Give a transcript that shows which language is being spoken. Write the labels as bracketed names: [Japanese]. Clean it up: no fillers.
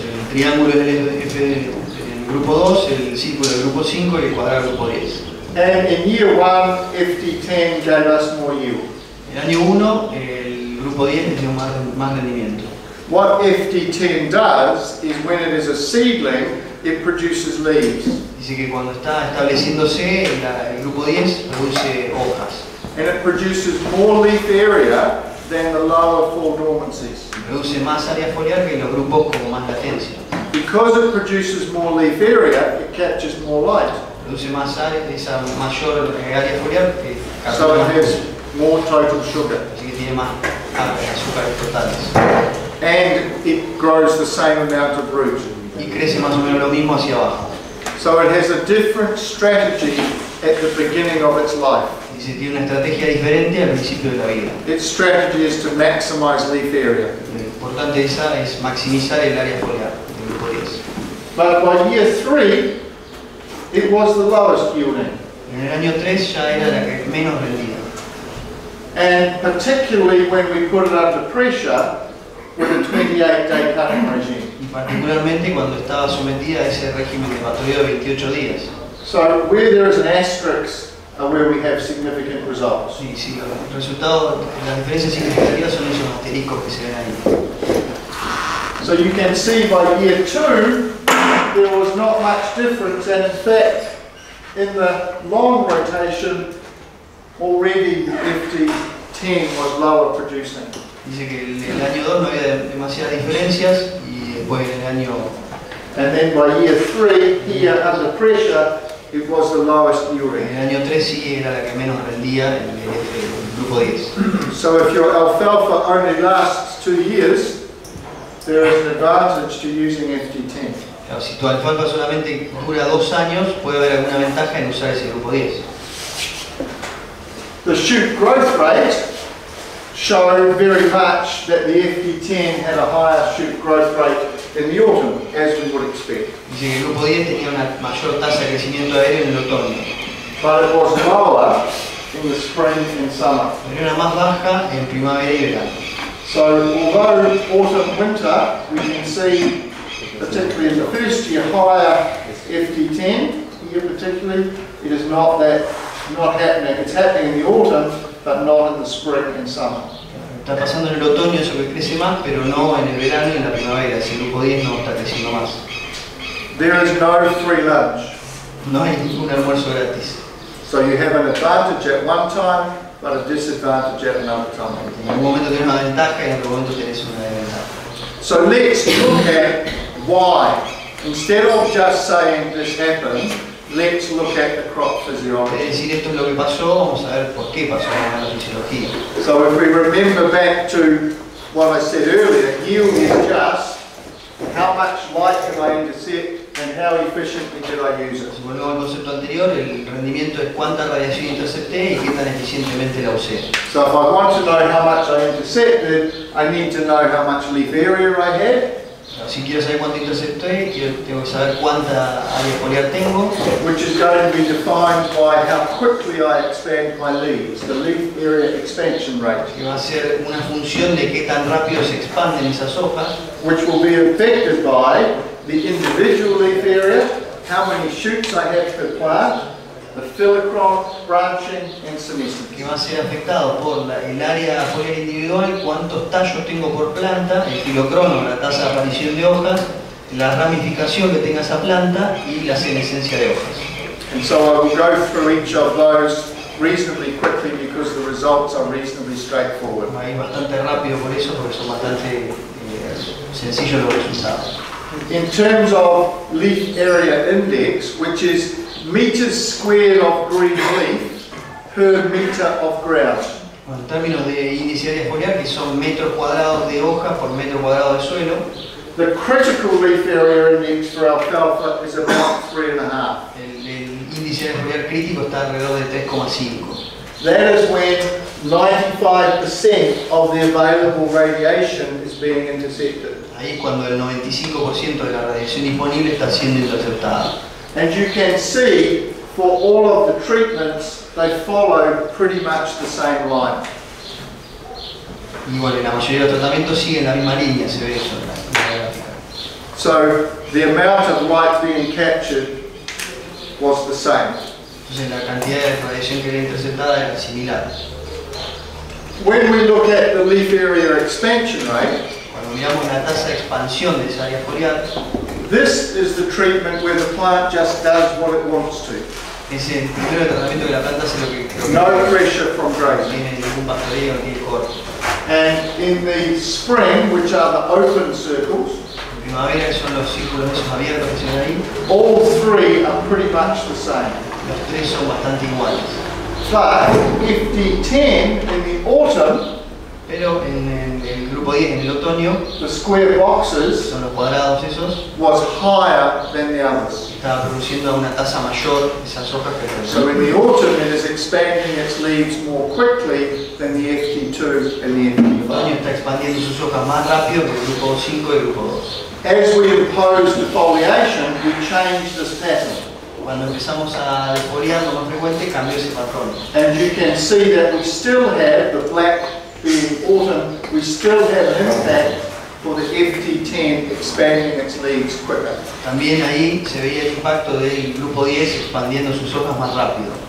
[Spanish] El triángulo es el grupo 2, el círculo es el grupo 5 y el cuadrado es el grupo 10. [English] And in year 1, FD10 gave us more yield. [Spanish] En año 1, el grupo 10 nos dio más rendimiento. [English] What FD10 does is when it is a seedling, it produces leaves. [Spanish] Dice que cuando está estableciéndose, el grupo 10 produce hojas. [English] And it produces more leaf area than the lower four dormancies. [Spanish] Produce más área foliar que los grupos con más latencia. [English] Because it produces more leaf area, it catches more light. [Spanish] Produce más área, esa mayor área foliar que capta más. [English] So it has more total sugar. [Spanish] Así que tiene más azúcares totales. [English] And it grows the same amount of root. [Spanish] Y crece más o menos lo mismo hacia abajo. [English] So it has a different strategy at the beginning of its life. [Spanish] Dice, tiene una estrategia diferente al principio de la vida. [English] Its strategy is to maximize leaf area. [Spanish] Lo importante esa es maximizar el área foliar del grupo 10. [English] But by year 3, it was the lowest yielding. [Spanish] En el año 3 ya era la que menos rendía. [English] And particularly when we put it under pressure with a 28-day cutting regime. [Spanish] Y particularmente cuando estaba sometida a ese régimen de pastoreo de 28 días. [English] So where there is an asterisk are where we have significant results. [Spanish] Sí, sí, los resultados, las diferencias significativas son esos asteriscos que se ven ahí. [English] So you can see by year two, there was not much difference, and in fact, in the long rotation, already the FT10 was lower producing. [Spanish] Dice que en el año 2 no había demasiadas diferencias, y después en el año... [English] And then by year 3, here under pressure, it was the lowest urea. [Spanish] En el año 3 sí era la que menos rendía en el grupo 10. [English] So if your alfalfa only lasts 2 years, there is an advantage to using FT10. [Spanish] Si tu alfalfa solamente dura 2 años, puede haber alguna ventaja en usar ese grupo 10. [English] The shoot growth rate showed very much that the FT10 had a higher shoot growth rate in the autumn, as we would expect. [Spanish] Dice que el grupo 10 tenía una mayor tasa de crecimiento aéreo en el otoño. [English] But it was lower in the spring and summer. [Spanish] Pero era más baja en primavera y verano. [English] So although autumn winter, we can see, particularly in the first year, higher FT10 here particularly, it is not that not happening. It's happening in the autumn, but not in the spring and summer. [Spanish] Está pasando en el otoño, eso que crece más, pero no en el verano y en la primavera. Si el grupo 10 no está creciendo más. [English] There is no free lunch. [Spanish] No hay ningún almuerzo gratis. [English] So you have an advantage at one time, but a disadvantage at another time. [Spanish] En algún momento tienes una ventaja y en otro momento tienes una desventaja. [English] So let's look at why. Instead of just saying this happened, let's look at the crop physiology. [Spanish] Es decir, esto es lo que pasó, vamos a ver por qué pasó en la fisiología. [English] So if we remember back to what I said earlier, yield is just how much light can I intercept and how efficiently did I use it. [Spanish] Si volvemos al concepto anterior, el rendimiento es cuánta radiación intercepté y qué tan eficientemente la usé. [English] So if I want to know how much I intercepted, I need to know how much leaf area I had. [Spanish] Si quiero saber cuánto intercepté, tengo que saber cuánta área foliar tengo. [English] Which is going to be defined by how quickly I expand my leaves, the leaf area expansion rate. [Spanish] Que va a ser una función de qué tan rápido se expanden esas hojas. [English] Which will be affected by the individual leaf area, how many shoots I have per plant, the filicron, branching, and senescence. [Spanish] Que va a ser afectado por el área foliar individual, cuántos tallos tengo por planta, el filocrono, la tasa de aparición de hojas, la ramificación que tenga esa planta y la senescencia de hojas. [English] And so I will go through each of those reasonably quickly because the results are reasonably straightforward. [Spanish] Va a ir bastante rápido por eso, porque son bastante sencillos los resultados. [English] In terms of leaf area index, which is meters squared of green leaf per meter of ground. [Spanish] En términos de índice de área foliar, que son metros cuadrados de hoja por metro cuadrado de suelo. [English] The critical leaf area index for alfalfa is about 3.5. [Spanish] El índice de área foliar crítico está alrededor de 3.5. [English] That is when 95% of the available radiation is being intercepted. [Spanish] Ahí es cuando el 95% de la radiación disponible está siendo interceptada. [English] And you can see, for all of the treatments, they follow pretty much the same line. [Spanish] Igual, en la mayoría de los tratamientos siguen la misma línea, se ve eso en la gráfica. [English] So, the amount of light being captured was the same. [Spanish] Entonces, la cantidad de radiación que era interceptada era similar. [English] When we look at the leaf area expansion rate, [Spanish] cuando miramos la tasa de expansión de esa área foliar, [English] this is the treatment where the plant just does what it wants to. [Spanish] Es el primer tratamiento que la planta hace lo que quiere. [English] No pressure from grazing. [Spanish] Ni ningún pastoreo ni corte. [English] And in the spring, which are the open circles, [Spanish] en primavera son los círculos esos abiertos que se ven ahí. [English] All three are pretty much the same. [Spanish] Los tres son bastante iguales. [English] But if the 10 in the autumn, [Spanish] pero en el grupo 10 en el otoño, [English] the square boxes, [Spanish] son los cuadrados esos, [English] was higher than the others. [Spanish] Estaba produciendo a una tasa mayor esas hojas que [English] so in the autumn it is expanding its leaves more quickly than the FT2 and the FT5. [Spanish] El año está expandiendo sus hojas más rápido que el grupo 5 y el grupo 2. [English] As we impose the foliation, we change this pattern. [Spanish] Cuando cuando empezamos a despolear lo más frecuente, cambió ese patrón. [English] And you can see that we still have the black being autumn, we still have an impact for the FT10 expanding its leaves quicker. [Spanish] También ahí se veía el impacto del grupo 10 expandiendo sus hojas más rápido.